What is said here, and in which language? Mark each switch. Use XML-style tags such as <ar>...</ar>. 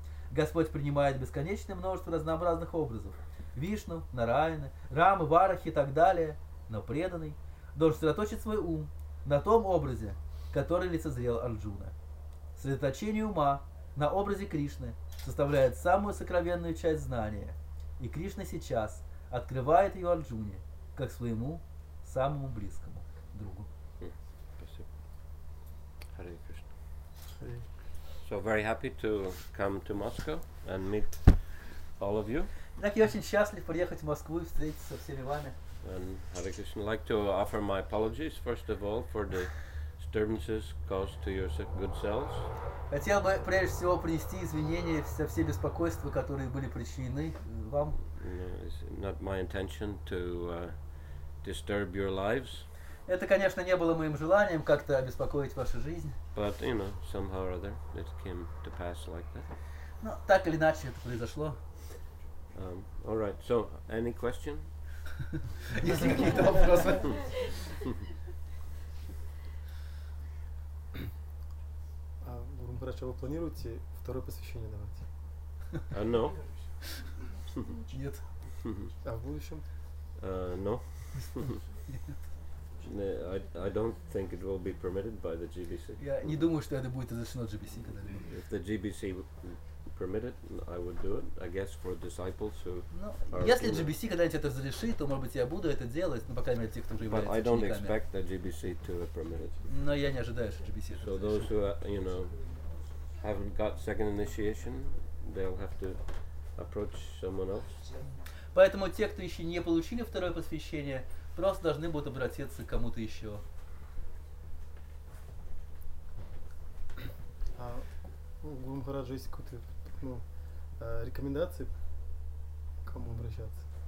<ru>Господь принимает бесконечное множество разнообразных образов – Вишну, Нараяна, Рамы, Варахи и так далее, но преданный должен сосредоточить свой ум на том образе, который лицезрел Арджуна. Сосредоточение ума на образе Кришны составляет самую сокровенную часть знания, и Кришна сейчас открывает ее Арджуне как своему самому близкому другу.</ru> <en>So very happy to come to Moscow and meet all of you.</en> <ru>Так я очень счастлив приехать в Москву и встретиться со всеми вами.</ru> <en>And Hare Krishna, like to offer my apologies first of all for the disturbances caused to your good selves.</en> <ru>Хотел бы прежде всего принести извинения за все беспокойства, которые были причинены вам.</ru> <en>It's not my intention to disturb your lives.</en> <ru>Это, конечно, не было моим желанием как-то обеспокоить вашу жизнь.</ru> <en>But, you know, somehow or other, it came to pass like that.</en> <ru>Но так или иначе это произошло.</ru> <en>All right. So, any question?</en> <ru>Есть какие-то вопросы? Гуру Махарадж, вы планируете второе посвящение давать?</ru> <en>No.</en> <ru>Нет. А в будущем?</ru> <en>No. I don't think it will be permitted by the GBC.</en> <ru>Я не думаю, что это будет разрешено GBC когда-либо.</ru> <en>If the GBC permitted, I would do it. I guess for disciples who.</en> <ru>Но если GBC когда-нибудь это разрешит, то может быть я буду это делать, но по крайней мере тех, кто уже является учениками.</ru> <en>But I don't expect the GBC to permit it.</en> <ru>Но я не ожидаю, что GBC это разрешит.</ru> <en>So those who you know haven't got second initiation, they'll have to approach someone else.</en> <ru>Поэтому те, кто еще не получили второе посвящение, просто должны будут обратиться к кому-то еще. Гуру Махарадж, есть какие-то рекомендации, к кому обращаться?</ru>